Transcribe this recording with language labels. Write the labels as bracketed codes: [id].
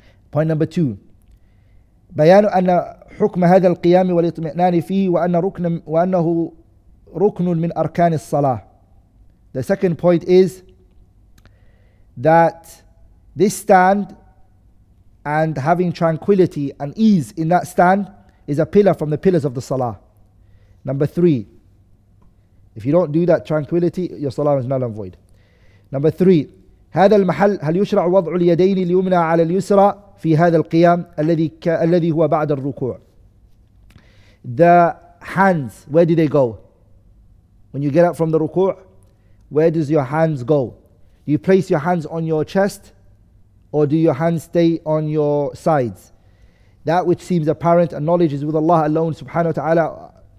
[en] Point number two. [ar] بَيَانُ أَنَّ حُكْمَ هَذَا الْقِيَامِ وَالْإِطْمِئْنَانِ فِيهِ وَأَنَّهُ رُكْنٌ مِنْ أَرْكَانِ الصَّلَاةِ [en] The second point is that this stand and having tranquility and ease in that stand is a pillar from the pillars of the salah. Number three, if you don't do that tranquility, your salah is null and void. Number three, [ar] هذا المحل هل يشرع وضع اليدين اليمنى على اليسرى في هذا القيام الذي هو بعد الركوع. [en] The hands, where do they go? When you get up from the ruku', where does your hands go? Do you place your hands on your chest? Or do your hands stay on your sides? That which seems apparent and knowledge is with Allah alone subhanahu wa ta'ala.